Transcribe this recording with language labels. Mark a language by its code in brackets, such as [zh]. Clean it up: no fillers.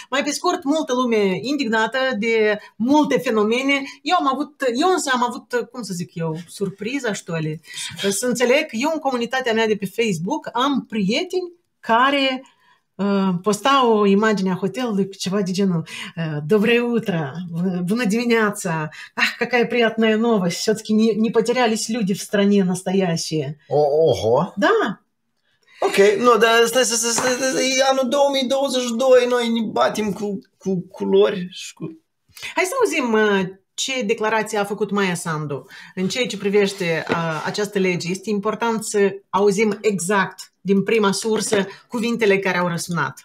[ro] Mai pe scurt, multă lume indignată de multe fenomene. Eu însă am avut, cum să zic eu, surpriza, ștoale, să înțeleg că eu în comunitatea mea de pe Facebook am prieteni care postau o imagine a hotelului cu ceva de genul [ru] «Доброе утро! [ro] Bună dimineața! [ru] Ah, какая приятная новость! Все-таки не потерялись люди в стране настоящие!» Ого! Да! [ro] Ok, nu, dar stai, e anul 2022, noi ne batem cu culori și cu... Hai să auzim ce declarație a făcut Maia Sandu în ceea ce privește această lege. Este important să auzim exact din prima sursă cuvintele care au răsunat.